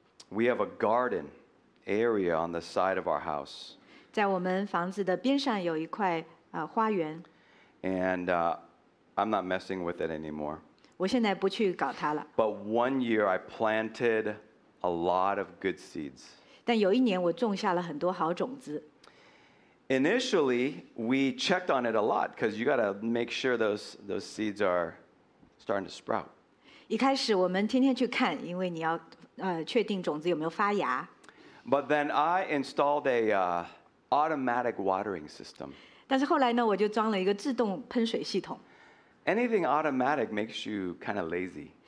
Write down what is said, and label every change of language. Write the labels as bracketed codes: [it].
[en] We have a garden area on the side of our house. And I'm not messing with it anymore. [zh] 我现在不去搞它了。 [en] But one year I planted a lot of good seeds. [zh] 但有一年我种下了很多好种子。 [en] Initially, we checked on it a lot because you got to make sure those seeds are starting to sprout. [zh] 一开始我们天天去看, 因为你要, 确定种子有没有发芽。 [en] But then I installed a automatic watering system. [zh] 但是后来呢,我就装了一个自动喷水系统。 [en] Anything automatic makes you kind of lazy.